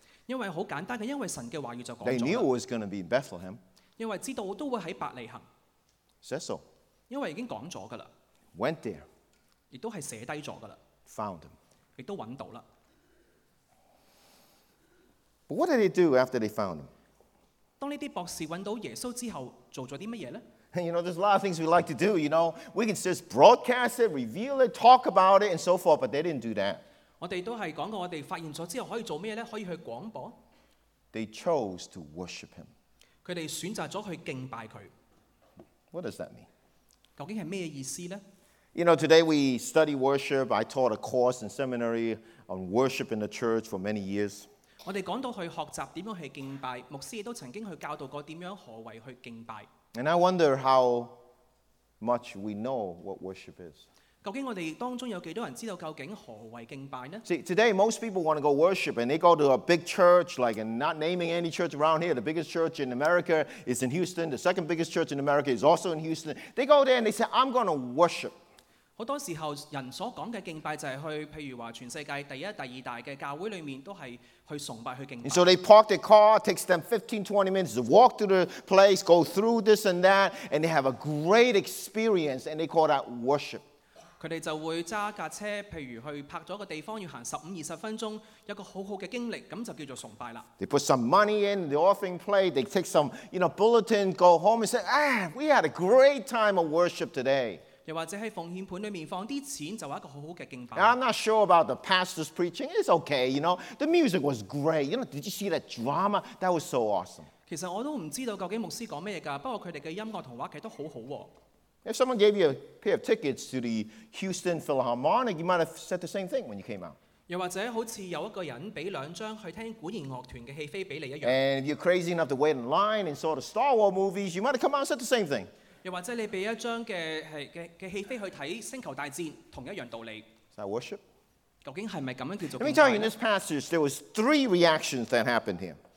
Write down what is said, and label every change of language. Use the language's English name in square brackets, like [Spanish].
[Chinese] 因為很簡單的，因為神的話語就說了。 [English] They knew it was going to be in Bethlehem. [Chinese] 因為知道都會喺伯利恆 [English] ，said so， [Chinese] 因為已經講咗噶啦 [English] ，went there， [Chinese] 亦都係寫低咗噶啦 [English] ，found him， [Chinese] 亦都揾到啦。 [English] But what did they do after they found him？ [Chinese] 當呢啲博士揾到耶穌之後，做咗啲乜嘢咧 [English] ？You know, there's a lot of things we like to do. You know, we can just broadcast it, reveal it, talk about it, and so forth. But they didn't do that. [Chinese] 我哋都係講過，我哋發現咗之後可以做咩咧？可以去廣播。 [English] They chose to worship him. [Chinese] 他们选择了去敬拜他。 [English] What does that mean? [Chinese] 究竟是什么意思呢? [English] You know, today we study worship. I taught a course in seminary on worship in the church for many years. [Chinese] 我们讲到去学习怎样去敬拜，牧师也曾经去教导过怎样何为去敬拜。 [English] And I wonder how much we know what worship is. [Chinese] 究竟我哋當中有幾多人知道究竟何為敬拜呢？ [English] See, today most people want to go worship and they go to a big church, like not naming any church around here. The biggest church in America is in Houston. The second biggest church in America is also in Houston. They go there and they say, I'm going to worship. [Chinese] 很多時候人所講的敬拜就是去，譬如話全世界第一、第二大的教會裡面都是去崇拜、去敬拜。 [English] And so they park their car, takes them 15-20 minutes to walk to the place, go through this and that, and they have a great experience, and they call that worship. [Chinese] 他們就會揸架車，譬如去泊咗個地方，要行15-20分鐘，有個好好嘅經歷，咁就叫做崇拜啦。 [English] They put some money in the offering plate. They take some, you know, bulletin, go home and say, "Ah, we had a great time of worship today." [Chinese] 又或者喺奉獻盤裡面放啲錢，就話一個好好嘅敬拜。 [English] I'm not sure about the pastor's preaching. It's okay, you know. The music was great. You know, did you see that drama? That was so awesome. [Chinese] 其實我都唔知道究竟牧師講咩㗎，不過佢哋嘅音樂同話劇都好好喎。 [English] If someone gave you a pair of tickets to the Houston Philharmonic, you might have said the same thing when you came out. [Chinese] 又或者好似有一個人俾兩張去聽管弦樂團嘅戲飛俾你一樣。 [English] And if you're crazy enough to wait in line and saw the Star Wars movies, you might have come out and said the same thing. [Chinese] 又或者你俾一張嘅戲飛去睇星球大戰，同一樣道理。 [English] Is that worship? [Chinese] 究竟係咪咁樣叫做？ [English] Let me tell you, in this passage, there was three reactions that happened here.